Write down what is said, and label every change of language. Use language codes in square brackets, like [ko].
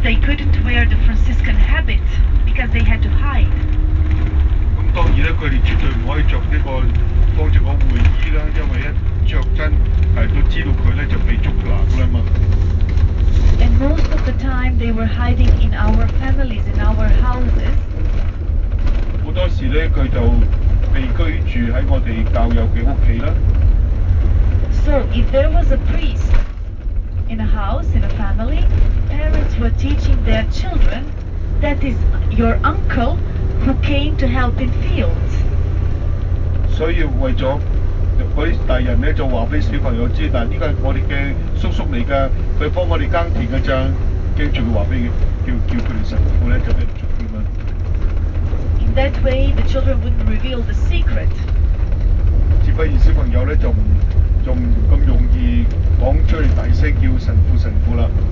[en] first they couldn't wear the Franciscan habit because they had to hide. [yue] 咁當然咧，佢哋絕對唔可以著呢個當住個會衣啦，因為一著真係都知道佢咧就被捉拿啦嘛。 [en] And most of the time they were hiding in our families, in our houses. [yue] 好多時咧，佢就被居住喺我哋教友嘅屋企啦。 [en] So if there was a priest in a house, in a family, parents were teaching their children, that is your uncle who came to help in fields. [yue] 所以為咗嗰啲大人咧，就話俾小朋友知，嗱，呢個係我哋嘅叔叔嚟噶，佢幫我哋耕田嘅咋，跟住佢話俾叫佢哋神父咧，就俾人捉咁樣。 [en] In that way, the children wouldn't reveal the secret. [yue] 只不過小朋友咧仲唔咁容易講出嚟大聲叫神父啦。